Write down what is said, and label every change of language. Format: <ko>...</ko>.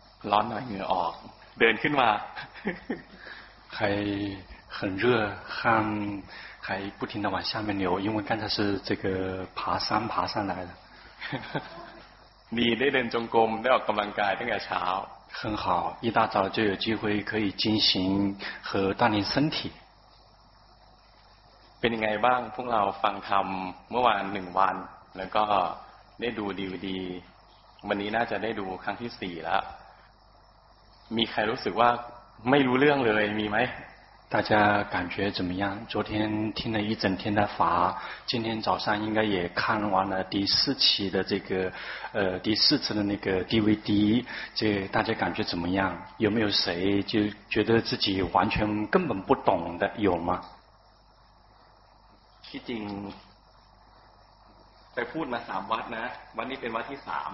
<th>ร้อนหน่อยเหงื่อออกเดินขึ้นมา ใคร</th> <zh>很热汗还不停的往下面流因为刚才是这个爬山爬上来的</zh> <th>มีได้เดินจงกรมได้ออกกำลังกายตั้งแต่เช้า</th> <zh>很好一大早就有机会可以进行和锻炼身体</zh> <th>เป็นยังไงบ้างพวกเราฟังธรรมเมื่อวานหนึ่งวันแล้วก็ได้ดูดีวีดีวันนี้น่าจะได้ดูครั้งที่สี่แล้วมีใครรู้สึกว่าไม่รู้เรื่องเลยมีไหม</th> <zh>大家感觉怎么样昨天听了一整天的法今天早上应该也看完了第四期的这个第四次的那个 DVD 这大家感觉怎么样有没有谁就觉得自己完全根本不懂的有吗</zh> <th>ที่จริงไปพูดมา3วัดนะวันนี้เป็นวัดที่3</th>